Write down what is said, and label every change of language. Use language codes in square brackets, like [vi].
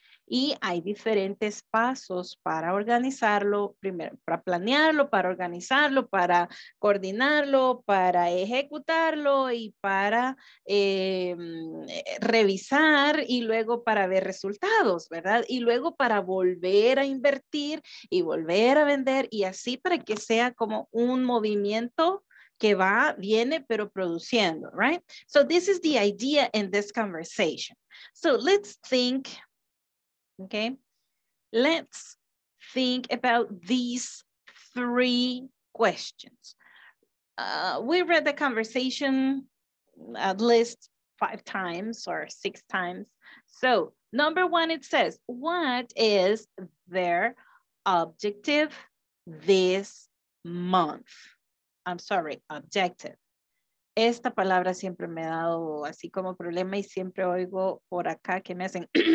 [es] Y hay diferentes pasos para organizarlo, primero para planearlo, para organizarlo, para coordinarlo, para ejecutarlo y para revisar y luego para ver resultados, ¿verdad? Y luego para volver a invertir y volver a vender y así para que sea como un movimiento que va, viene, pero produciendo, right? [en] So this is the idea in this conversation. So let's think. Okay, let's think about these three questions. We read the conversation at least 5 times or 6 times. So number one, it says, what is their objective this month? I'm sorry, objective. [es] Esta palabra siempre me ha dado así como problema y siempre oigo por acá que me hacen...